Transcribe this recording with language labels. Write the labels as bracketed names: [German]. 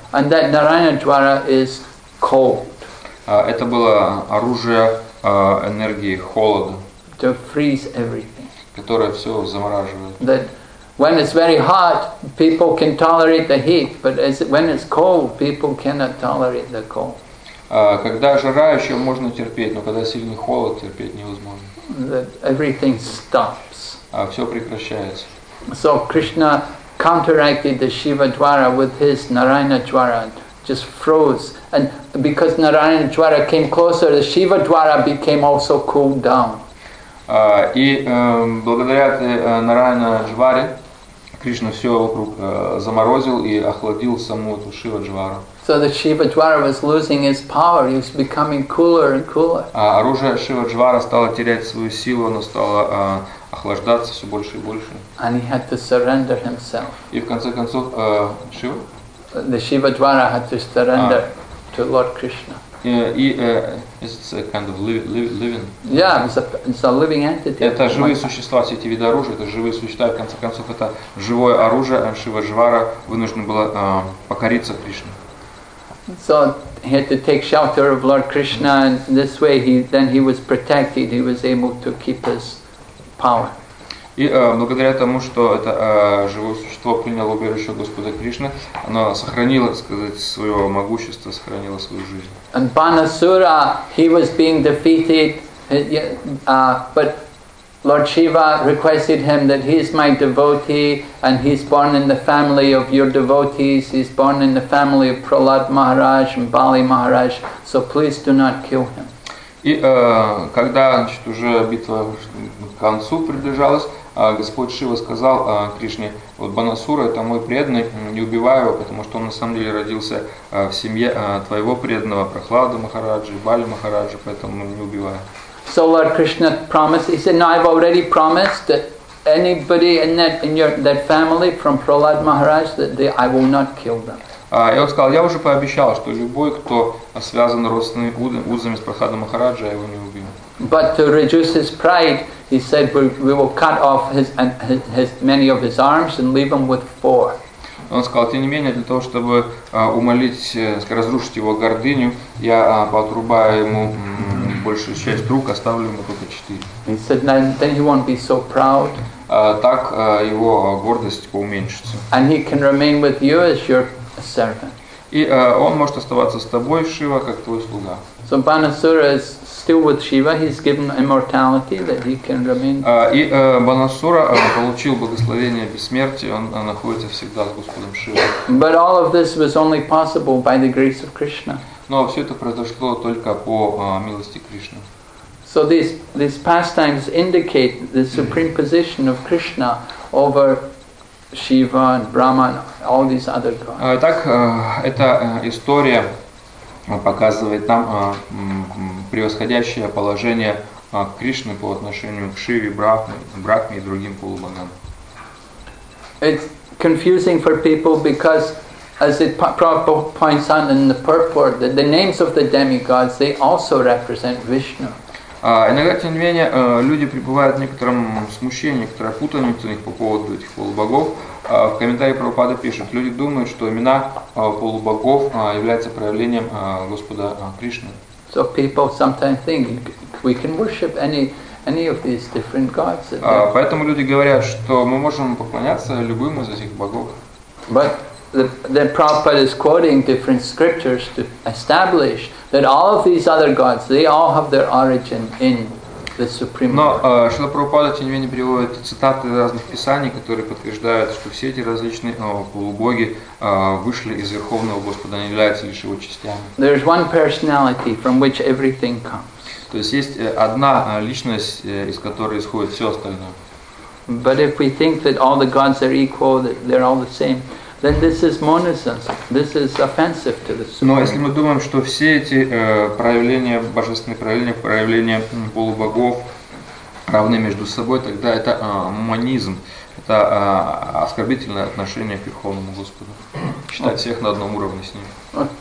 [English] And that Narayana Dwara is cold. [Russian] Это было оружие энергии холода. [English] To freeze everything. [Russian] Которая все замораживает. [English] That when it's very hot, people can tolerate the heat, but when it's cold, people cannot tolerate the cold. [Russian] Когда жара, еще можно терпеть, но когда сильный холод, терпеть невозможно. [English] That everything stops. [Russian] Все прекращается. [English] So Krishna counteracted the Shiva Dwara with his Narayana Dwara, just froze. And because Narayana Dwara came closer, the Shiva Dwara became also cooled down. [Russian] И благодаря Нараяна Джваре Кришна все вокруг заморозил и охладил саму эту Шива Джвару. [English] So the Shiva Dwara was losing his power. He was becoming cooler and cooler. [Russian] Оружие Шива Джвара стало терять свою силу, оно стало охлаждаться все больше и больше. [English] And he had to surrender himself. [Russian] И в конце концов Шива? [English] The Shiva Dwara had to surrender to Lord Krishna. It's a kind of living. Yeah, it's a living entity. [Russian] Это живые существа, все эти виды оружия, это живые существа. В конце концов, это живое оружие. Шива Джвара вынужден было покориться Кришне. [English] So he had to take shelter of Lord Krishna, and this way he was protected. He was able to keep his power. [Russian] И благодаря тому, что это живое существо приняло убежище Господа Кришны, оно сохранило, так сказать, свое могущество, сохранило свою жизнь. [English] And Banasura, he was being defeated, but Lord Shiva requested him that he is my devotee, and he's born in the family of your devotees, he's born in the family of Prahlad Maharaj and Bali Maharaj, so please do not kill him. [Russian] И когда, значит, уже битва к концу приближалась, Господь Шива сказал Кришне: вот Банасура — это мой преданный, не убивай его, потому что он на самом деле родился в семье твоего преданного Прахлада Махараджи, Бали Махараджи, поэтому не убивай. [English] So Lord Krishna promised, he said, no, I've already promised that anybody in that family from Prahlad Maharaj that I will not kill them. [Russian] И он сказал: я уже пообещал, что любой, кто связан родственными узами с Прахладом Махараджи, я его не убью. [English] But to reduce his pride, he said, we will cut off his many of his arms and leave him with four. [Russian] Он сказал: тем не менее, для того, чтобы разрушить его гордыню, я подрубаю ему большую часть рук, оставлю ему только четыре. [English] He said, then he won't be so proud. [Russian] Так его гордость поуменьшится. [English] And he can remain with you as your servant. [Russian] И он может оставаться с тобой, Шива, как твой слуга. [English] So Banasura is still with Shiva. He's given immortality that he can remain. [Russian] И Банасура получил благословение бессмертия. Он находится всегда с Господом Шивой. [English] But all of this was only possible by the grace of Krishna. [Russian] Но все это произошло только по милости Кришны. [English] So these pastimes indicate the supreme position of Krishna over Shiva and Brahma and all these other gods. [Russian] Так эта история показывает нам превосходящее положение Кришны по отношению к Шиве, Брахме и другим полубогам. [English] It's confusing for people because, as it Prabhupada points out in the purport, that the names of the demigods, they also represent Vishnu. [Russian] Иногда, тем не менее, люди пребывают в некотором смущении, некоторой путанице по поводу этих полубогов. В комментарии Прабхупада пишут: люди думают, что имена полубогов являются проявлением Господа Кришны. [English] So people sometimes think we can worship any of these different gods. [Russian] Поэтому люди говорят, что мы можем поклоняться любым из этих богов. [English] But then Prabhupada is quoting different scriptures to establish that all of these other gods, they all have their origin in the Supreme Lord. [Russian] Но Шрила Прабхупада, тем не менее, приводит цитаты разных писаний, которые подтверждают, что все эти различные полубоги вышли из Верховного Господа, они являются лишь его частями. [English] There is one personality from which everything comes. [Russian] То есть есть одна личность, из которой исходит все остальное. [English] But if we think that all the gods are equal, that they're all the same, then this is monism. This is offensive to the Supreme. [Russian] Но если мы думаем, что все эти проявления, божественные проявления, проявления полубогов равны между собой, тогда это монизм. Это оскорбительное отношение к Верховному Господу. Считать всех на одном уровне с ним.